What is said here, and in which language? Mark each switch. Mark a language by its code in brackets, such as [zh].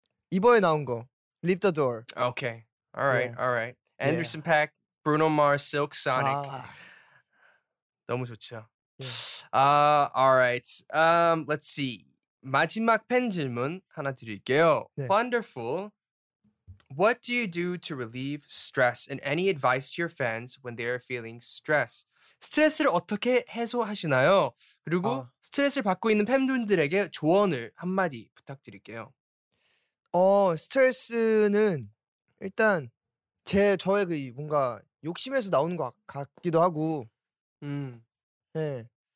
[ko] 이번에 나온 거 Leave the Door. 오케이 alright 네. alright Anderson 네. Paak Bruno Mars, Silk Sonic. 아. 너무 좋죠. [en] Yeah. Alright. Let's see. [ko] 마지막 팬 질문 하나 드릴게요. [en] 네. Wonderful. What do you do to relieve stress? And any advice to your fans when they are feeling stress? [ko] 스트레스를 어떻게 해소하시나요? 그리고 스트레스를 받고 있는 팬분들에게 조언을 한마디 부탁드릴게요. 스트레스는 일단 저의 그 뭔가 욕심에서 나오는 것 같기도 하고 네.